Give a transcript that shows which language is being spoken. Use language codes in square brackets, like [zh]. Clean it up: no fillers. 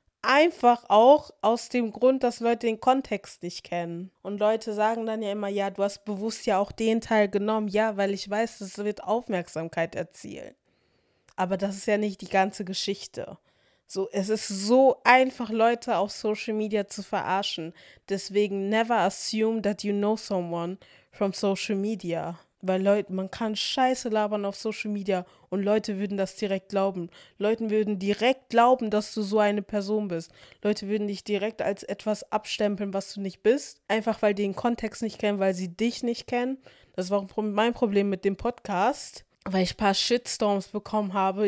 [de] Einfach auch aus dem Grund, dass Leute den Kontext nicht kennen. Und Leute sagen dann ja immer, ja, du hast bewusst ja auch den Teil genommen. Ja, weil ich weiß, es wird Aufmerksamkeit erzielen. Aber das ist ja nicht die ganze Geschichte. So, es ist so einfach, Leute auf Social Media zu verarschen. Deswegen [en] never assume that you know someone from Social Media. [de] Weil Leute, man kann Scheiße labern auf Social Media und Leute würden das direkt glauben. Leuten würden direkt glauben, dass du so eine Person bist. Leute würden dich direkt als etwas abstempeln, was du nicht bist. Einfach weil die den Kontext nicht kennen, weil sie dich nicht kennen. Das war auch mein Problem mit dem Podcast, weil ich ein paar Shitstorms bekommen habe.